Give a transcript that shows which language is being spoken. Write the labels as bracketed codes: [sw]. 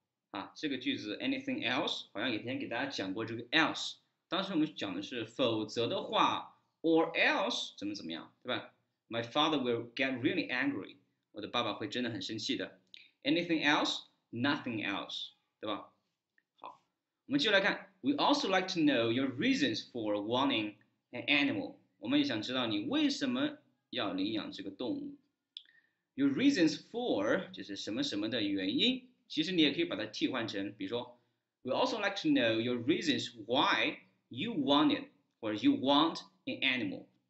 [zh] 啊，这个句子 [en] Anything else？ [zh] 好像以前给大家讲过这个 else，当时我们讲的是否则的话， [en] or else [zh] 怎么怎么样，对吧？ [en] My father will get really angry。 [zh] 我的爸爸会真的很生气的。 [en] Anything else？Nothing else， [zh] 对吧？我们继续来看。 [en] We also like to know your reasons for wanting an animal。 [zh] 我们也想知道你为什么要领养这个动物。 [en] Your reasons for [zh] 就是什么什么的原因，其实你也可以把它替换成，比如说， [en] We also like to know your reasons why you want it or you want an animal。